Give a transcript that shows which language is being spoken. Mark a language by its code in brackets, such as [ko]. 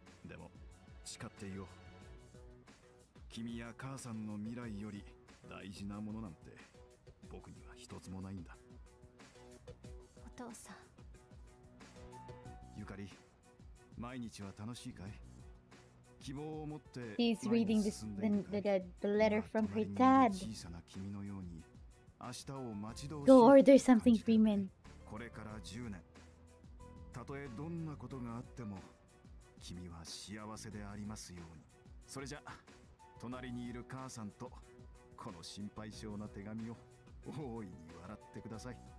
[ja] でも、誓っていよう。君や母さんの未来より大事なものなんて、僕には一つもないんだ。お父さん。ゆかり、毎日は楽しいかい？希望を持って [en] 、He's reading this, the letter from her dad. [ja] 小さな君のように、明日を待ち遠しい。 [en] Go order something, Freeman. [ja] これから10年。たとえどんなことがあっても君は幸せでありますように。それじゃあ隣にいる母さんとこの心配性な手紙を大いに笑ってください。